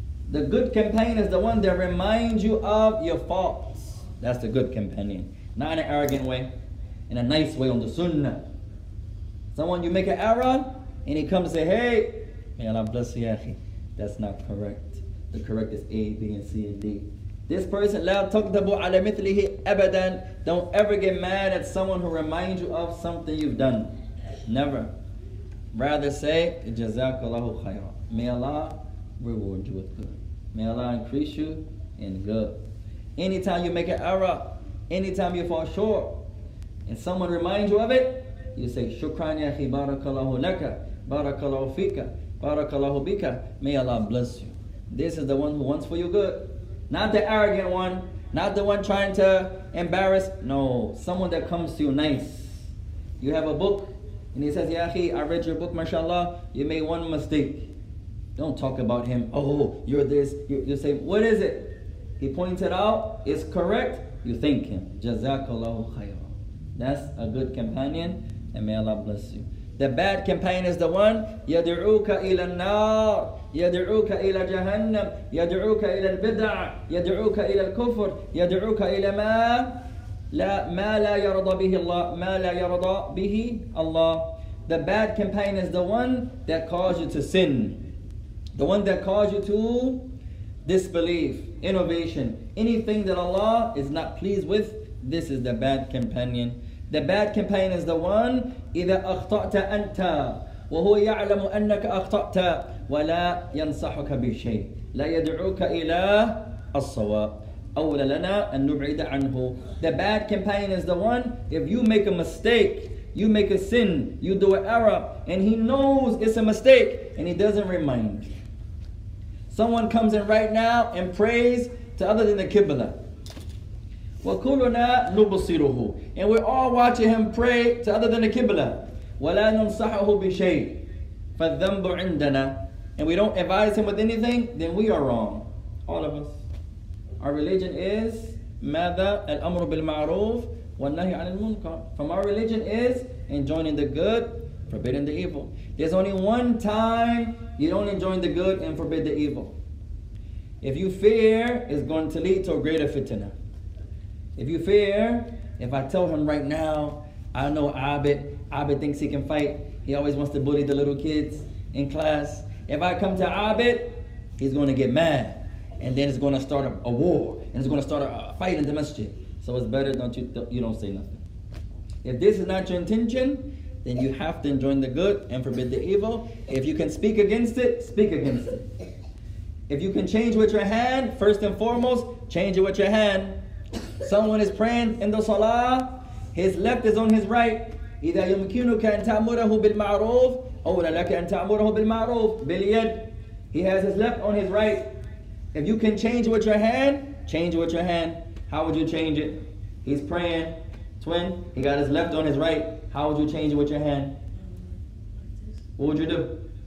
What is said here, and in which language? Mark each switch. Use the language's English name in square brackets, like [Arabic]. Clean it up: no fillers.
[English] The good companion is the one that reminds you of your faults. That's the good companion. Not in an arrogant way, in a nice way on the sunnah. Someone, you make an error and he comes and say, hey, may Allah bless you, akhi. That's not correct. The correct is A, B, and C, and D. This person, [Arabic] لا تكتبوا على مثله أبدا. [English] Don't ever get mad at someone who reminds you of something you've done. Never. Rather say, Jazakallahu khayra. May Allah reward you with good. May Allah increase you in good. Anytime you make an error, anytime you fall short, and someone reminds you of it, you say, Shukran ya akhi, barakallahu laka, barakallahu fika, barakallahu bika. May Allah bless you. This is the one who wants for you good. Not the arrogant one, not the one trying to embarrass. No, someone that comes to you nice. You have a book, and he says, ya akhi, I read your book, mashallah. You made one mistake. Don't talk about him. Oh, you're this. You say, what is it? He pointed out, it's correct. You thank him. Jazakallahu khayr. That's a good companion, and may Allah bless you. The bad companion is the one, [Arabic] يَدْعُوكَ إِلَى النَّارِ, يَدْعُوكَ إِلَى جَهَنَّمْ, يَدْعُوكَ إِلَى الْبِدْعَ, يَدْعُوكَ إِلَى الْكُفْرِ, يَدْعُوكَ إِلَى مَا لَا, مَا لَا يَرَضَى بِهِ اللَّهِ, مَا لَا يَرَضَى بِهِ اللَّهِ. [English] The bad companion is the one that caused you to sin. The one that caused you to disbelief, innovation. Anything that Allah is not pleased with, this is the bad companion. The bad companion is the one, [Arabic] إِذَا أَخْطَأْتَ أَنْتَ وَهُوَ يَعْلَمُ أَنَّكَ أَخْطَأْتَ وَلَا يَنْصَحُكَ بِشَيْءٍ لَا يَدْعُوكَ إِلَى الصَّوَابِ أَوْلَ لَنَا أَنْ نُبْعِدَ عَنْهُ. [English] The bad companion is the one, if you make a mistake, you make a sin, you do an error, and he knows it's a mistake, and he doesn't remind you. Someone comes in right now and prays to other than the Qibla. [Arabic] وَكُلُنَا نُبُصِرُهُ. [English] And we're all watching him pray to other than the Qibla. [Arabic] وَلَا نُنْصَحَهُ بِشَيْءٍ فَالذَّنْبُ عِنْدَنَا. [English] And we don't advise him with anything, then we are wrong. All of us. Our religion is [Arabic] مَاذَا الْأَمْرُ بِالْمَعْرُوفِ وَالنَّهِ عَنِ الْمُنْكَرِ. [English] From our religion is enjoining the good, forbidding the evil. There's only one time you don't enjoin the good and forbid the evil. If you fear, it's going to lead to a greater fitna. If you fear, if I tell him right now, I know Abid thinks he can fight. He always wants to bully the little kids in class. If I come to Abid, he's going to get mad. And then it's going to start a war. And it's going to start a fight in the masjid. So it's better don't say nothing. If this is not your intention, then you have to enjoin the good and forbid the evil. If you can speak against it, speak against it. If you can change with your hand, first and foremost, change it with your hand. Someone is praying in the salah, His left is on his right. [Arabic] إذا يمكنك أن تأمره بالمعروف أو لك أن تأمره بالمعروف باليد. [English] He has his left on his right. If you can change with your hand, change with your hand. How would you change it? He's praying. Twin, he got his left on his right. How would you change it with your hand? What would you do?